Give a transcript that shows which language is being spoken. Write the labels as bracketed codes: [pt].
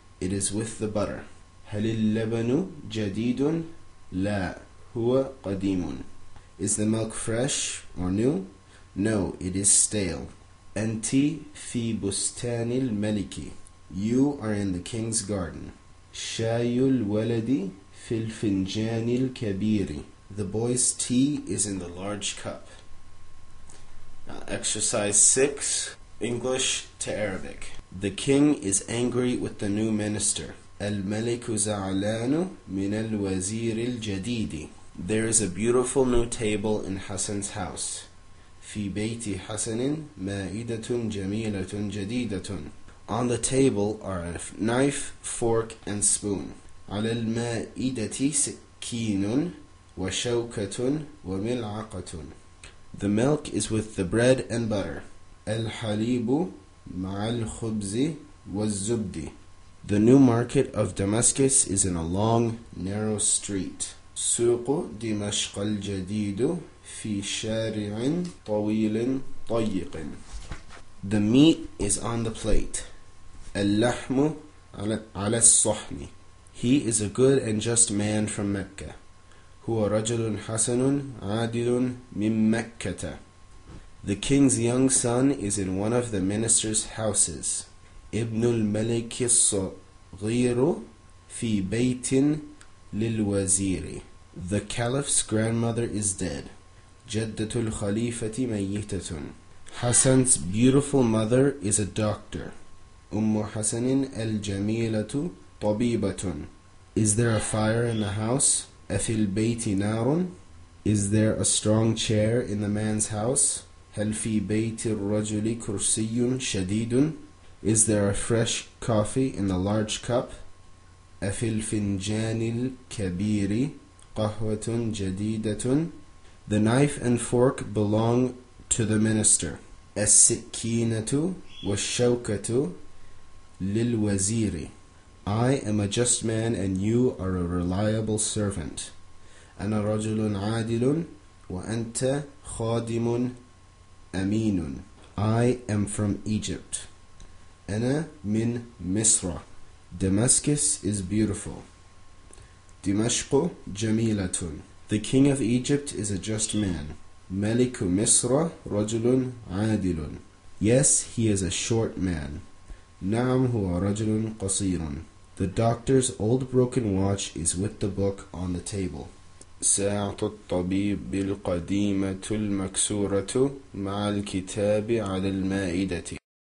[en] It is with the butter. [ar] هل اللبن جديد؟ لا. هو قديم. [en] Is the milk fresh or new? No, it is stale. [ar] أنت في بستان الملك. [en] You are in the king's garden. [ar] شاي الولد في الفنجان الكبير. [en] The boy's tea is in the large cup. Now, exercise 6, English to Arabic. The king is angry with the new minister. [ar] الملك زعلان من الوزير الجديد. [en] There is a beautiful new table in Hassan's house. [ar] في بيت حسن مائدة جميلة جديدة. [en] On the table are a knife, fork, and spoon. [ar] على المائدة سكين وشوكة وملعقة. [en] The milk is with the bread and butter. [ar] الحليب مع الخبز والزبد. [en] The new market of Damascus is in a long, narrow street. [ar] سوق دمشق الجديد في شارع طويل ضيق. [en] The meat is on the plate. [ar] اللحم على الصحن. [en] He is a good and just man from Mecca. [ar] هو رجل حسن عادل من مكة. [en] The king's young son is in one of the minister's houses. [ar] ابن الملك الصغير في بيت للوزير. [en] The caliph's grandmother is dead. [ar] جدة الخليفة ميتة. [en] Hassan's beautiful mother is a doctor. [ar] أم حسن الجميلة طبيبة. [en] Is there a fire in the house? [ar] أفي البيت نار؟ [en] Is there a strong chair in the man's house? [ar] هل في بيت الرجل كرسي شديد؟ [en] Is there a fresh coffee in the large cup? [ar] أفي الفنجان الكبير قهوة جديدة؟ [en] The knife and fork belong to the minister. [ar] السكينة والشوكة للوزير. [en] I am a just man and you are a reliable servant. [ar] أنا رجل عادل وأنت خادم أمين. [en] I am from Egypt. [ar] أنا من مصر. [en] Damascus is beautiful. [ar] دمشق جميلة. [en] The king of Egypt is a just man. [ar] ملك مصر رجل عادل. [en] Yes, he is a short man. [ar] نعم هو رجل قصير. [en] The doctor's old broken watch is with the book on the table. [ar] ساعة الطبيب القديمة المكسورة مع الكتاب على المائدة.